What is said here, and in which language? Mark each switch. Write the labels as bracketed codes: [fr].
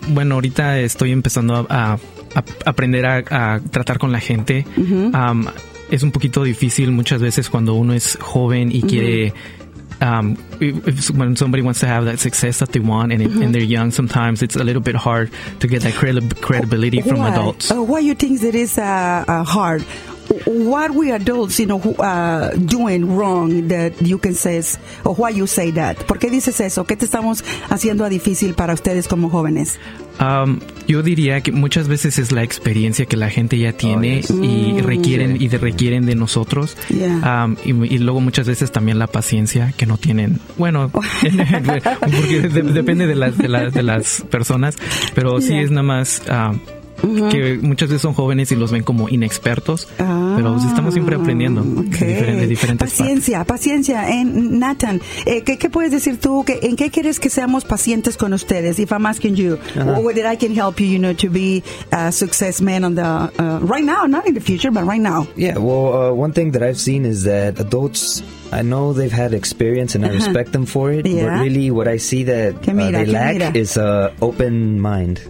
[es] Ahorita estoy empezando a aprender a tratar con la gente. Uh-huh. Es un poquito difícil muchas veces cuando uno es joven y quiere. [en] When somebody wants to have that success that they want and, and they're young, sometimes it's a little bit hard to get that credibility from adults. Why you think it is hard? What we adults, you know, doing wrong that you can say, or why you say that? [es] ¿Por qué dices eso? ¿Qué te estamos haciendo difícil para ustedes como jóvenes? Yo diría que muchas veces es la experiencia que la gente ya tiene y requieren de nosotros. [en] Yeah. [es] Y luego muchas veces también la paciencia que no tienen. Bueno, porque depende de las personas, pero sí es nada más... Uh-huh. Que muchas veces son jóvenes y los ven como inexpertos, pero estamos siempre aprendiendo de diferentes paciencia, partes. Paciencia. Nathan, ¿qué puedes decir tú? ¿En qué quieres que seamos pacientes con ustedes? [en] If I'm asking you, whether I can help you, you know, to be a success man on the right now, not in the future, but right now. Yeah, well, one thing that I've seen is that adults, I know they've had experience and I respect them for it, yeah. But really what I see that they lack is an open mind.